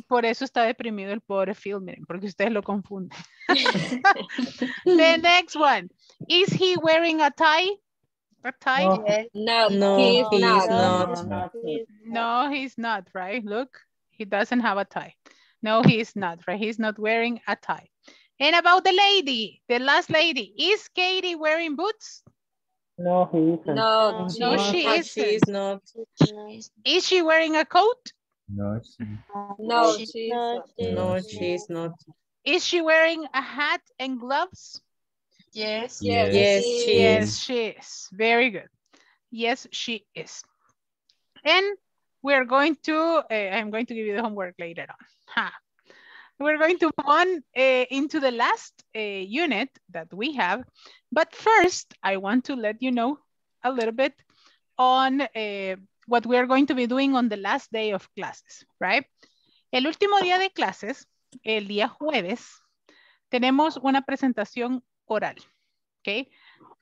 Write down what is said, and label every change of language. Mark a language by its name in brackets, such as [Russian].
[Spanish] Por eso está deprimido el pobre Phil, miren, porque ustedes lo confunden. [English] The next one, is he wearing a tie? No, he's not, right? Look, he doesn't have a tie. No, he's not, right? He's not wearing a tie. And about the lady, the last lady, is Katie wearing boots? No, she isn't. Is she wearing a coat? No, she's not. Is she wearing a hat and gloves? Yes, she is. Very good. Yes, she is. And we're going to, I'm going to give you the homework later on. We're going to move on into the last unit that we have. But first, I want to let you know a little bit on what we are going to be doing on the last day of classes, right? [Spanish] El último día de clases, el día jueves, tenemos una presentación oral, ¿ok?